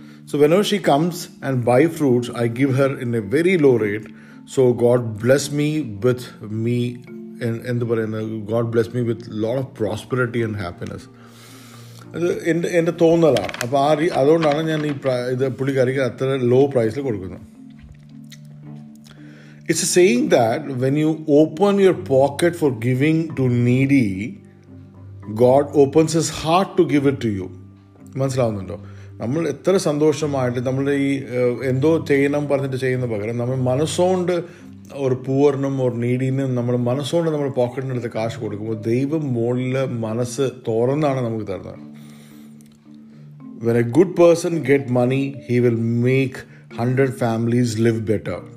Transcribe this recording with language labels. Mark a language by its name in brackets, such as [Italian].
[English] So whenever she comes and buy fruits, I give her in a very low rate. So God bless me with me [Malayalam] എന്ത് പറയുന്നത്, [English] God bless me with lot of prosperity and happiness. [Malayalam] അത് എൻ്റെ തോന്നലാണ്. അപ്പോൾ ആ അതുകൊണ്ടാണ് ഞാൻ ഈ ഇത് പുള്ളിക്കാരിക്ക് അത്ര ലോ പ്രൈസിൽ കൊടുക്കുന്നത്. [English] It's saying that when you open your pocket for giving to needy, God opens his heart to give it to you. [Malayalam] മനസ്സിലാവുന്നുണ്ട്? നമ്മൾ എത്ര സന്തോഷമായിട്ട് നമ്മുടെ ഈ എന്തോ ചെയ്യണം പറഞ്ഞിട്ട് ചെയ്യുന്ന പകരം നമ്മൾ മനസ്സുകൊണ്ട് ഒരു പൂവർണ്ണം ഒരു നീഡിനും നമ്മൾ മനസ്സുകൊണ്ട് നമ്മൾ പോക്കറ്റിൻ്റെ അടുത്ത് കാശ് കൊടുക്കുമ്പോൾ ദൈവം മുകളിൽ മനസ്സ് തുറന്നാണ് നമുക്ക് തരുന്നത്. [English] When a good person get money, he will make 100 families live better.